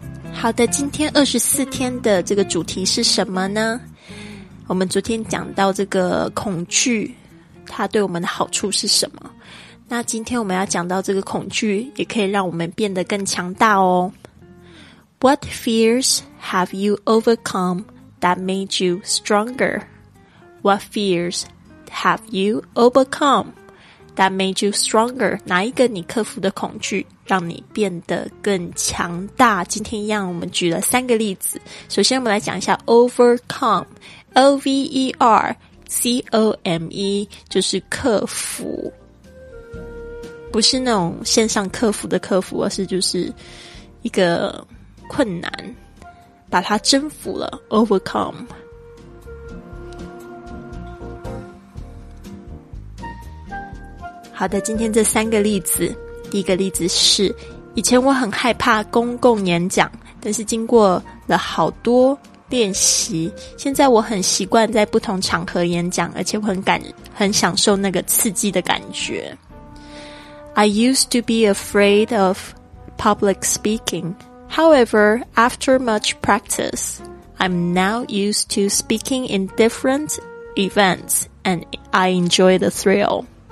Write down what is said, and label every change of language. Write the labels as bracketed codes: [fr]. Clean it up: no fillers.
[zh] 好的，今天24天的这个主题是什么呢？我们昨天讲到这个恐惧它对我们的好处是什么，那今天我们要讲到这个恐惧也可以让我们变得更强大哦。 [en] What fears have you overcome that made you stronger? What fears have you overcome that made you stronger? [zh] 哪一个你克服的恐惧让你变得更强大？今天一样我们举了三个例子。首先我们来讲一下 overcome, O-V-E-R-C-O-M-E, 就是克服。不是那种线上克服的克服，而是就是一个困难把它征服了， overcome。好的，今天这三个例子，第一个例子是以前我很害怕公共演讲，但是经过了好多练习，现在我很习惯在不同场合演讲，而且我很享受那个刺激的感觉。 [en] I used to be afraid of public speakingHowever, after much practice, I'm now used to speaking in different events and I enjoy the thrill.